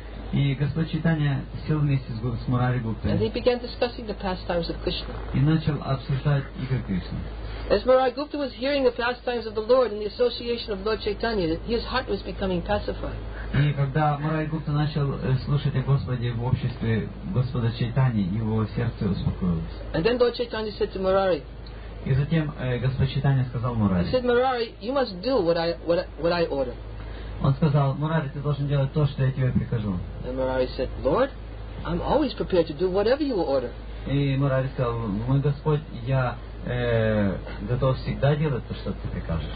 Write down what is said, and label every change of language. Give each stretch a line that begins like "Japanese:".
Russian: И Господь Чайтанья сел вместе с Мурари Гуптой.
English: And he began discussing the pastimes of Krishna.
Russian: И начал обсуждать игры Кришны.
English: As Murari Gupta was hearing the pastimes of the Lord in the association of Lord Chaitanya, his heart was becoming pacified.
Russian: И когда Мурари Гупта начал слушать о Господе в обществе Господа Чайтани, его сердце успокоилось.
English: And then Lord Chaitanya said to Murari.
Russian: И затем Господь Чайтанья сказал Мурари.
English: He said, Murari, you must do what I order.
Russian: Он сказал, Мурари, ты должен делать то, что я тебе прикажу.
English: And Murari said, Lord, I'm always prepared to do whatever you order.
Russian: И Мурари сказал, мой Господь, я готов всегда делать то, что ты прикажешь.